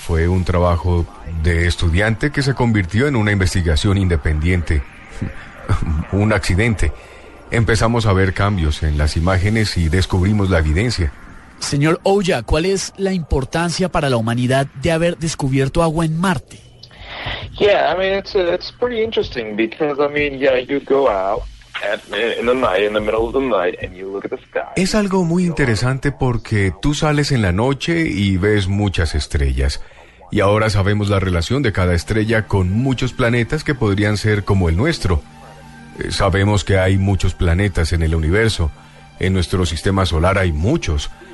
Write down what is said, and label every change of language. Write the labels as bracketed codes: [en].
[es] Fue un trabajo de estudiante que se convirtió en una investigación independiente. Un accidente. Empezamos a ver cambios en las imágenes y descubrimos la evidencia. Señor Ouya, ¿cuál es la importancia para la humanidad de haber descubierto agua en Marte? [en] Yeah, I mean it's pretty interesting because I mean yeah, you go out in the night, in the middle of the night, and you look at the sky. [es] Es algo muy interesante porque tú sales en la noche y ves muchas estrellas. Y ahora sabemos la relación de cada estrella con muchos planetas que podrían ser como el nuestro. Sabemos que hay muchos planetas en el universo. En nuestro sistema solar hay muchos.